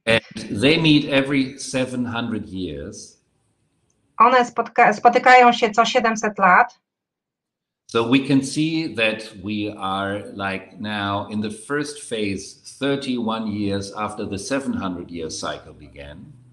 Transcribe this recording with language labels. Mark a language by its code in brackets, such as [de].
[en] And they meet every 700 years. [pl] One spotykają się co 700 lat. [en] So we can see that we are like now in the first phase, 31 years after the 700 year cycle began.